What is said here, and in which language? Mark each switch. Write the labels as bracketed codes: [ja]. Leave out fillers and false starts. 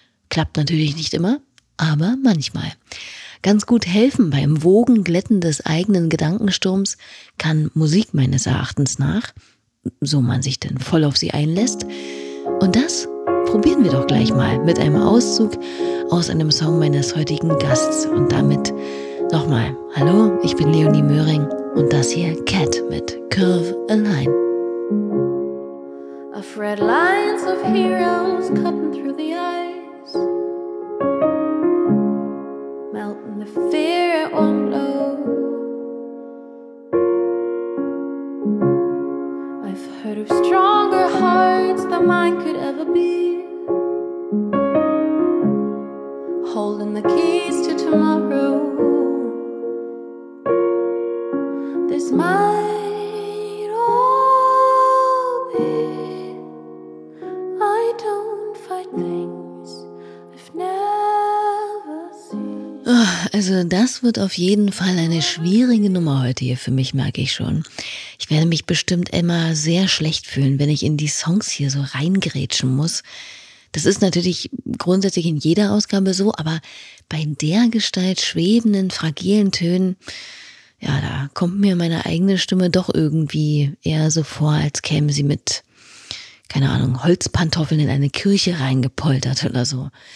[de] Klappt natürlich nicht immer, aber manchmal. Ganz gut helfen beim Wogenglätten des eigenen Gedankensturms kann Musik meines Erachtens nach, so man sich denn voll auf sie einlässt. Und das probieren wir doch gleich mal mit einem Auszug aus einem Song meines heutigen Gasts. Und damit nochmal, hallo, ich bin Leonie Möhring und das hier Cat mit Curve a Line. [en] I've read lines of heroes cutting through the ice, melting the fear at one blow. I've heard of stronger hearts than mine could ever be, holding the keys to tomorrow. This might all be, I don't fight things I've never seen. [de] Also das wird auf jeden Fall eine schwierige Nummer heute hier für mich, merke ich schon. Ich werde mich bestimmt immer sehr schlecht fühlen, wenn ich in die Songs hier so reingrätschen muss. Das ist natürlich grundsätzlich in jeder Ausgabe so, aber bei der Gestalt schwebenden, fragilen Tönen, ja, da kommt mir meine eigene Stimme doch irgendwie eher so vor, als käme sie mit, keine Ahnung, Holzpantoffeln in eine Kirche reingepoltert oder so.